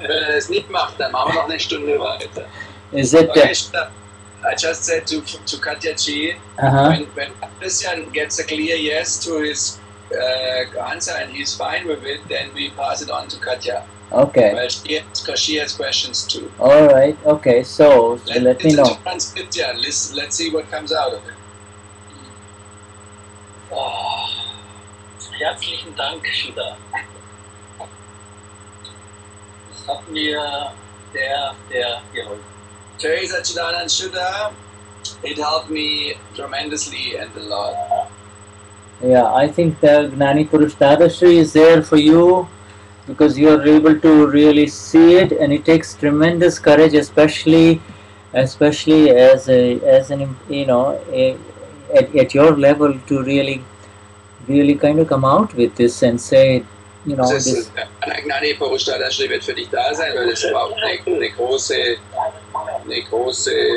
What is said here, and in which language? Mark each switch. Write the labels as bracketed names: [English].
[German] Wenn er das nicht macht, dann machen wir noch eine Stunde weiter. [English] Is it okay, I just said to Katja G, [German] wenn [English] Franz Christian gets a clear yes to his answer and he's fine with it, then we pass it on to Katja. Okay. Because she has questions too. All right, okay, so let me know. Franz Christian, let's see what comes out of it. [German] Oh, herzlichen Dank, Shuddha. Das hat mir der geholfen. [English] Jai Satchidanand, Shuddha. It helped me tremendously and a lot. Yeah, I think the Gnani Purush Dadashri is there for you because you are able to really see it, and it takes tremendous courage, especially at your level, to really kind of come out with this and say, you know, [German] das ist, [English] this [German] Gnani Purush Dadashri wird für dich da sein, weil das war eine große